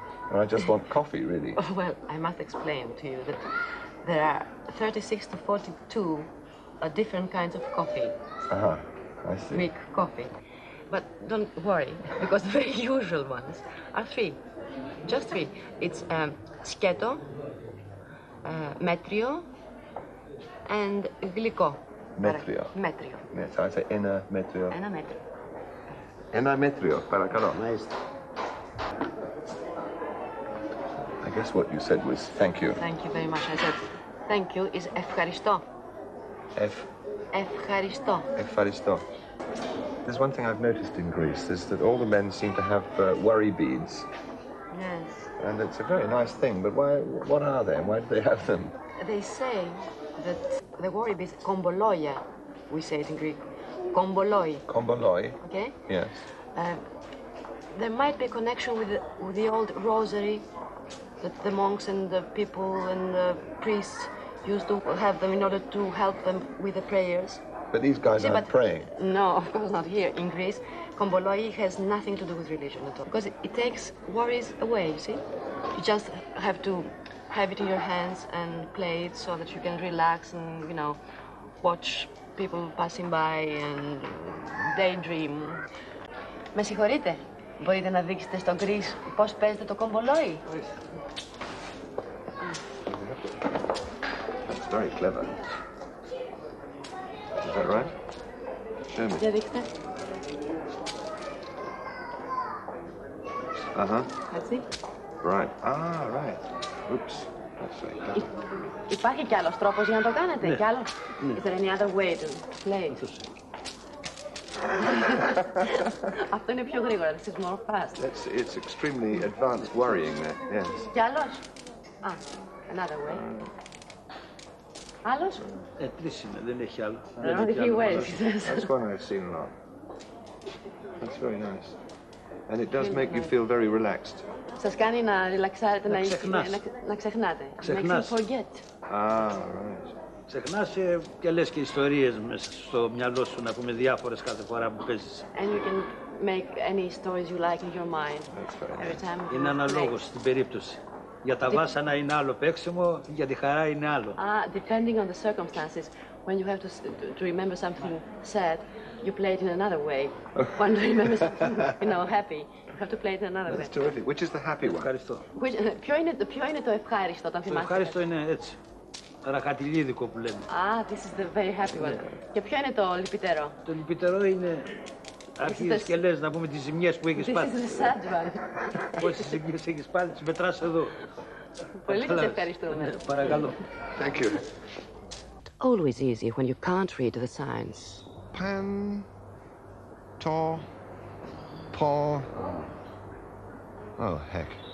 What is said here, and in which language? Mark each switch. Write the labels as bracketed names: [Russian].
[English] Well, I just want coffee, really. Well, I must explain to you that there are 36 to 42 different kinds of coffee. Uh-huh, I see. Greek coffee. But don't worry, because the very usual ones are three. Just three. It's σκέτο, μέτριο, and γλυκό. [Greek] Μέτριο. Ένα μέτριο. Ένα μέτριο. Ένα μέτριο, παρακαλώ. Μάλιστα. [English] I guess what you said was thank you. Thank you very much. I said thank you is ευχαριστώ. [Greek] Ευχαριστώ. Ευχαριστώ. [English] There's one thing I've noticed in Greece is that all the men seem to have worry beads. Yes. And it's a very nice thing, but why? What are they and why do they have them? They say that the worry beads, komboloia, we say it in Greek, komboloi. Komboloi. Okay? Yes. There might be a connection with the old rosary that the monks and the people and the priests used to have them in order to help them with the prayers. But these guys aren't praying. No, of course not here in Greece. Komboloi has nothing to do with religion at all. Because it takes worries away, you see? You just have to have it in your hands and play it so that you can relax and, you know, watch people passing by and daydream. [Greek] Με συγχωρείτε, μπορείτε να δείξετε στον Chris πώς παίζετε το κομπολόι. [English] That's very clever. Is that right? Show me. [Greek] Για δείξτε. Uh-huh. [English] That's it. Right. Ah, right. Oops. That's right. [Greek] Υπάρχει κι άλλος τρόπος για να το κάνετε, ναι. Κι άλλος. Ναι. [English] Is there any other way to play? [Greek] Αυτό είναι πιο γρήγορα, [English] this is more fast. It's extremely advanced worrying there, yes. [Greek] Κι άλλος. [English] Another way. [Greek] Άλλος. Τρεις είναι, δεν έχει άλλο. [English] I don't think he waits. That's one I've seen a lot. That's very nice. And it does make you feel very relaxed. [Greek] Σας κάνει να ρελαξάρετε, να ξεχνάτε. Ξεχνάς. [English] Make you forget. Ah, right. [Greek] Ξεχνάς και λες και ιστορίες μέσα στο μυαλό σου, να πούμε, διάφορες κάθε φορά που παίζεις. [English] And you can make any stories you like in your mind. That's right. Every time. [Greek] Είναι αναλόγως στην περίπτωση. Για τα βάσανα είναι άλλο παίξιμο, για τη χαρά είναι άλλο. [English] Ah, depending on the circumstances, when you have to remember something sad, you play it in another way. When you remember something, you know, happy, you have to play it in another That's way. That's terrific. Which is the happy one? [Greek] Ευχαριστώ. Ποιο είναι το ευχάριστο, όταν θυμάστε. Το ευχάριστο είναι έτσι. Ρακατιλίδικο που λέμε. [English] Ah, this is the very happy one. Yeah. [Greek] Και ποιο είναι το λυπητερό? Το λυπητερό είναι αρχίζεις και λες, να πούμε, τις ζημιές που έχεις πάρει. [English] This is the sad one. [Greek] Πόσες ζημιές έχεις πάρει, τις μετράς εδώ. Πολύ σας ευχαριστούμε. Ναι, παρακαλώ. [English] Thank you. Always easy when you can't read the signs. Pan, to, po. Oh, heck.